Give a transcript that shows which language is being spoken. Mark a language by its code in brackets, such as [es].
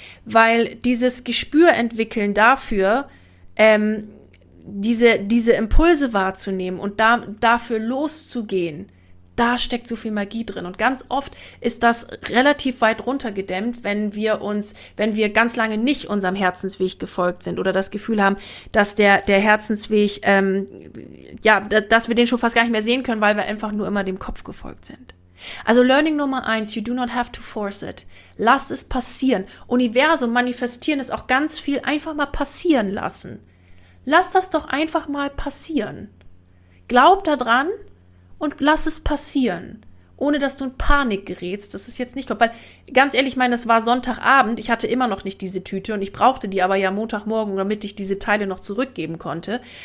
[de] Weil dieses Gespür entwickeln dafür, diese Impulse wahrzunehmen und dafür loszugehen, da steckt so viel Magie drin. Und ganz oft ist das relativ weit runtergedämmt, wenn wir ganz lange nicht unserem Herzensweg gefolgt sind oder das Gefühl haben, dass der Herzensweg, dass wir den schon fast gar nicht mehr sehen können, weil wir einfach nur immer dem Kopf gefolgt sind. Also Learning Nummer 1, [en] you do not have to force it. [de] Lass es passieren. Universum manifestieren ist auch ganz viel einfach mal passieren lassen. Lass das doch einfach mal passieren. Glaub daran. Und lass es passieren, ohne dass du in Panik gerätst, dass es jetzt nicht kommt. Weil ganz ehrlich, ich meine, es war Sonntagabend, ich hatte immer noch nicht diese Tüte und ich brauchte die aber ja Montagmorgen, damit ich diese Teile noch zurückgeben konnte.